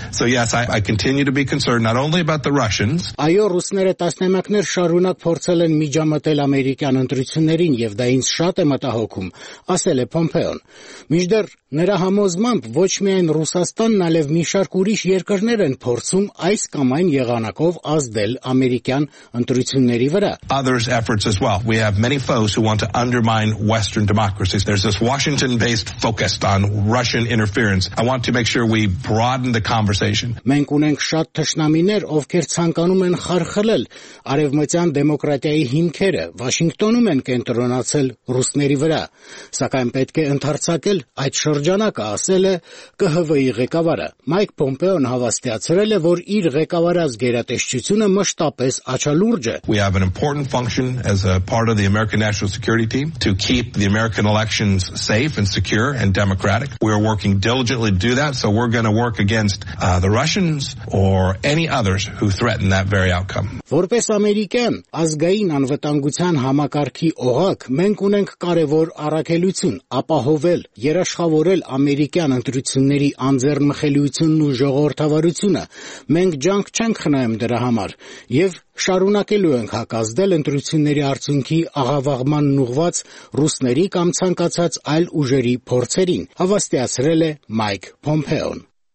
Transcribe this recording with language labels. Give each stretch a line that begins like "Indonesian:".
English: So yes, I continue to be concerned not only about the Russians.
Armenian: Այո, ռուսները տասնամյակներ շարունակ փորձել են միջամտել ամերիկյան ընտրություններին, և դա ինձ շատ է մտահոգում, ասել է Պոմպեոն։ Մինչդեռ նրա համոզմամբ ոչ միայն Ռուսաստանն, այլև մի շարք ուրիշ երկրներ են փորձում այս կամ այն եղանակով ազդել ամերիկյան ընտրությունների վրա։
English: Others efforts as well. We have many foes who want to undermine Western democracies. There's this Washington-based focus on Russian interference. I want to make sure we broaden the conversation.
Armenian: Մենք ունենք շատ թշնամիներ, ովքեր ցանկանում են խարխլել արևմտյան դեմոկրատիայի հիմքերը, Վաշինգտոնում են կենտրոնացել ռուսների վրա, սակայն պետք է ընդարձակել այդ շրջանակը, ասել է ԿՀՎ-ի ղեկավարը։ Մայք Պոմպեոն հավաստիացրել է, որ իր ղեկավարած գերատեսչությունը մշտապես աչալուրջ է։
English: We have an important function as a part of the American National Security Team to keep the American elections safe and secure and democratic. We are working diligently to do that, so we're going to work against the Russians or any others who threaten that very outcome.
Armenian: Որպես ամերիկյան ազգային անվտանգության համակարգի օղակ, մենք ունենք կարևոր առաքելություն՝ ապահովել երաշխավորել ամերիկյան ընտրությունների անձեռնմխելիությունն ու ժողովրդավարությունը։ Մենք ջանք չենք խնայում դրա համար և շարունակելու ենք հակազդել ընտրությունների արդյունքի աղավաղման ուղված ռուսների կամ ցանկացած այլ ուժերի փորձերին, հավաստիացրել է Մայք Պոմպեոն։